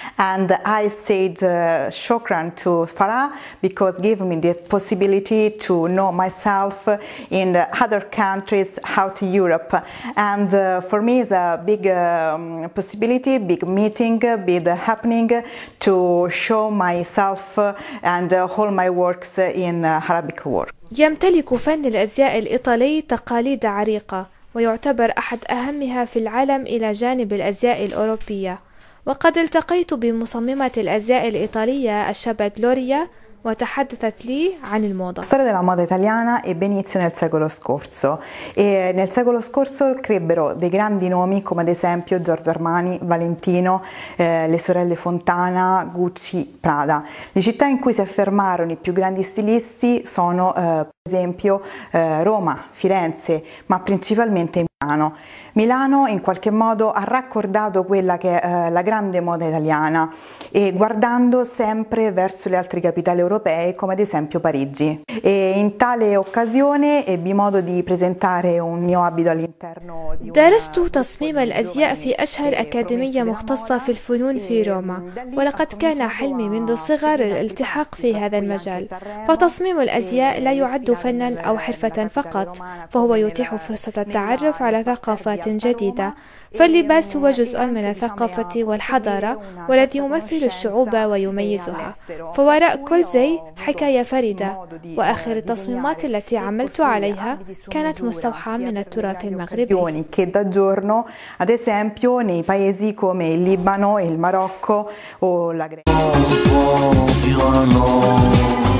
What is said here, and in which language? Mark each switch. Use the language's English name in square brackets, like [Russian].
[English] And I said shukran to Farah because gave me the possibility to know myself in the other countries out of Europe. And for me, it's a big possibility, big meeting, big happening to show myself and all my works in Arabic world. [Arabic] يمتلك فن الأزياء الإيطالي تقاليد عريقة، ويعتبر أحد أهمها في العالم إلى جانب الأزياء الأوروبية. وقد التقيت بمصممة الأزياء الإيطالية الشابة غلوريا وتحدثت لي عن الموضة. [Italian] storia della moda italiana ebbe inizio nel secolo scorso e nel secolo scorso crebbero dei grandi nomi come ad esempio Giorgio Armani, Valentino, le sorelle Fontana, Gucci, Prada. Le città in cui si affermarono i più grandi stilisti sono per esempio Roma, Firenze, ma principalmente Milano. Milano in qualche modo ha raccordato quella che è la grande moda italiana e guardando sempre verso le altre capitali europee come ad esempio Parigi. E in tale occasione ebbi modo di presentare un mio abito all'interno di una [Arabic] درست تصميم الأزياء في أشهر أكاديمية مختصة في الفنون في روما، ولقد كان حلمي منذ صغر الالتحاق في هذا المجال. فتصميم الأزياء لا يعد فنا أو حرفة فقط، فهو يتيح فرصة التعرف على ثقافات جديدة. فاللباس هو جزء من الثقافة والحضارة والذي يمثل الشعوب ويميزها. فوراء كل زي حكاية فريدة، وآخر التصميمات التي عملت عليها كانت مستوحاة من التراث المغربي. [Italian] che da giorno ad esempio nei paesi come il Libano, il Marocco o la Grecia.